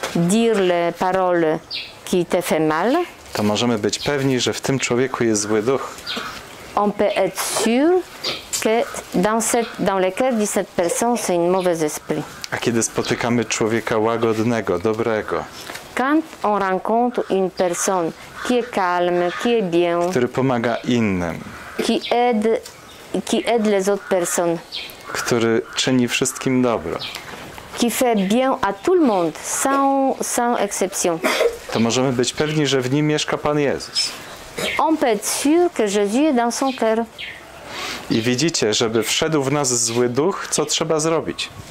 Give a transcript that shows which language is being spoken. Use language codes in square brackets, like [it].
[fr] dire les paroles qui te fait mal, [pl] to możemy być pewni, że w tym człowieku jest zły duch. [fr] On peut être sûr que dans le cœur de cette personne, c'est un mauvais esprit. [pl] A kiedy spotykamy człowieka łagodnego, dobrego, [fr] quand on rencontre une personne qui est calme, qui est bien, [pl] który pomaga innym, [fr] qui aide les autres personnes, [pl] który czyni wszystkim dobro, [fr] qui fait bien à tout le monde, sans exception, [pl] to możemy być pewni, że w nim mieszka Pan Jezus. [fr] On peut être sûr que Jésus est dans son cœur. [pl] I widzicie, żeby wszedł w nas zły duch, co trzeba zrobić?